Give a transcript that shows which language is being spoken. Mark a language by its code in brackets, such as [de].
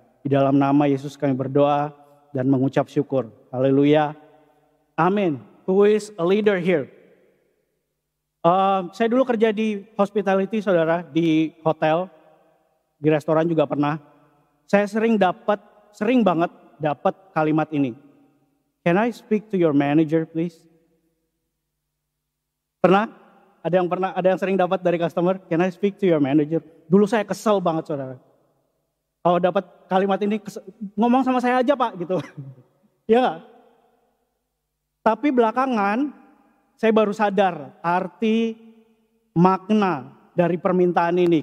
[id] Di dalam nama Yesus kami berdoa dan mengucap syukur. Haleluya. Amin. [en] Who is a leader here? [id] Saya dulu kerja di hospitality, saudara, di hotel, di restoran juga pernah. Saya sering banget dapat kalimat ini. [en] Can I speak to your manager, please? [id] Pernah? Ada yang sering dapat dari customer? [en] Can I speak to your manager? [id] Dulu saya kesel banget, saudara. Kalau dapat kalimat ini, ngomong sama saya aja, Pak, gitu. Iya gak? Tapi belakangan, saya baru sadar arti, makna dari permintaan ini.